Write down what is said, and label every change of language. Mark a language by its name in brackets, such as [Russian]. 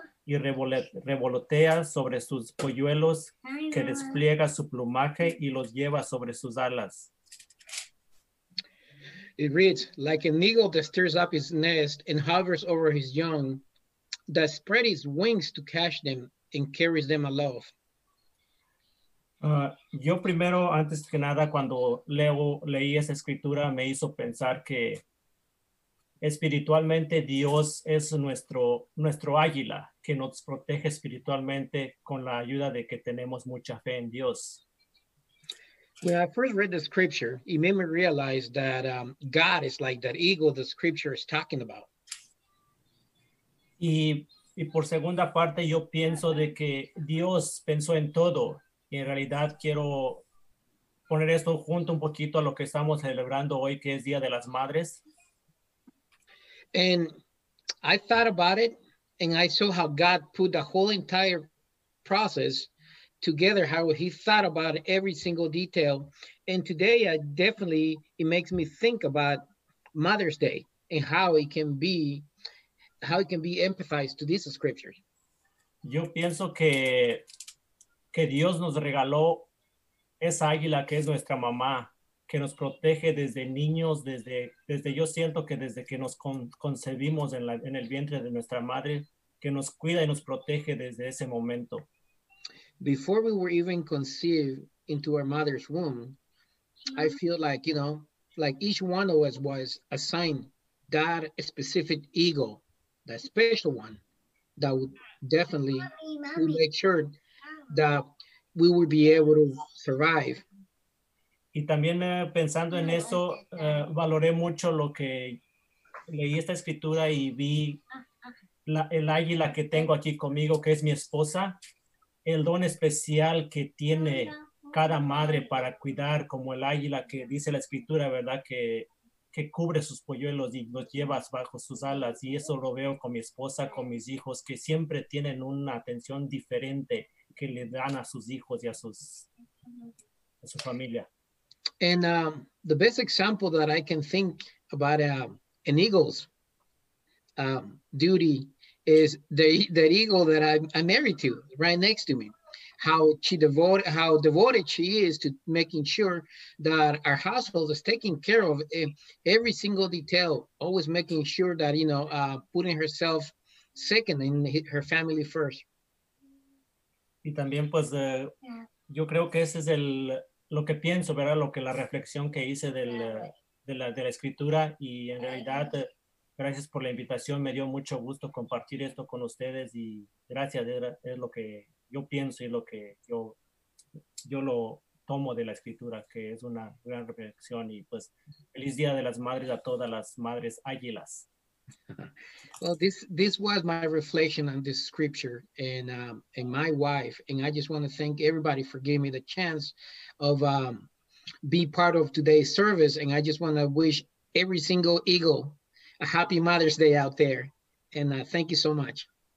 [Spanish] Y revolotea sobre sus polluelos, que despliega su plumaje y los lleva sobre sus alas. [English] It reads, like an eagle that stirs up his nest and hovers over his young, that spread his wings to catch them and carries them aloft. [Spanish] Yo primero, antes que nada, cuando leí esa escritura, me hizo pensar que espiritualmente Dios es nuestro águila que nos protege espiritualmente con la ayuda de que tenemos mucha fe en Dios. [English] When I first read the scripture, it made me realize that God is like that eagle the scripture is talking about. [Spanish] Y por segunda parte, yo pienso de que Dios pensó en todo. Y en realidad quiero poner esto junto un poquito a lo que estamos celebrando hoy, que es Día de las Madres. [English] And I thought about it, and I saw how God put the whole entire process together, how he thought about every single detail. And today, it makes me think about Mother's Day and how it can be empathized to this scripture. [Spanish] Yo pienso que Dios nos regaló esa águila que es nuestra mamá, que nos protege desde niños, desde yo siento que desde que nos concebimos en el vientre de nuestra madre, que nos cuida y nos protege desde ese momento. [English] Before we were even conceived into our mother's womb, I feel like, you know, like each one of us was assigned that specific ego, that special one, that would definitely make sure that we would be able to survive. [Spanish] Y también pensando en eso, valoré mucho lo que leí esta escritura y vi el águila que tengo aquí conmigo, que es mi esposa, el don especial que tiene cada madre para cuidar, como el águila que dice la escritura, ¿verdad? Que cubre sus polluelos y los lleva bajo sus alas. Y eso lo veo con mi esposa, con mis hijos, que siempre tienen una atención diferente que le dan a sus hijos y a su familia. [English] And the best example that I can think about an eagle's duty is the eagle that I'm married to, right next to me. How devoted she is to making sure that our household is taken care of in every single detail, always making sure that, you know, putting herself second and her family first. [Spanish] Y también, pues, yo creo que ese es el... lo que pienso, ¿verdad? Lo que la reflexión que hice de la escritura y en realidad gracias por la invitación, me dio mucho gusto compartir esto con ustedes y gracias, es lo que yo pienso y lo que yo lo tomo de la escritura, que es una gran reflexión y pues feliz Día de las Madres a todas las madres águilas. Amén. [English] Well, this was my reflection on this scripture and my wife, and I just want to thank everybody for giving me the chance of be part of today's service, and I just want to wish every single Eagle a happy Mother's Day out there, and thank you so much.